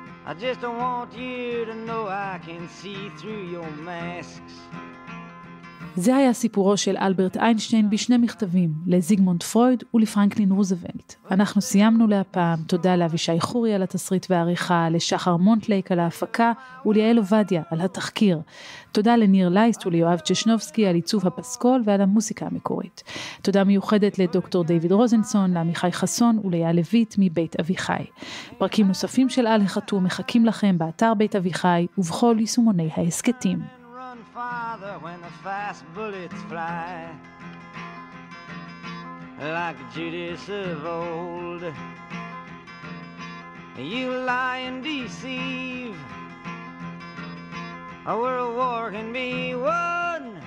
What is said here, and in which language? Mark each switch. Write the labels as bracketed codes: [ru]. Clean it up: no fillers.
[en] I just don't want you to know I can see through your masks. [he] זה היה סיפורו של אלברט איינשטיין בשני מכתבים, לזיגמונד פרויד ולפרנקלין רוזוולט. אנחנו סיימנו להפעם, תודה לאבישי חורי על התסריט והעריכה, לשחר מונטלייק על ההפקה וליעל עובדיה על התחקיר. תודה לניר לייסט וליואב צ'שנובסקי על עיצוב הפסקול ועל המוסיקה המקורית. תודה מיוחדת לדוקטור דיוויד רוזנסון, לעמיחי חסון וליה לוית מבית אביחי. פרקים נוספים של על החתום מחכים לכם באתר בית אביחי ובכל יישומוני ההסקטים. [en] Father, when the fast bullets fly like Judas of old, you lie and deceive. A world war can be won.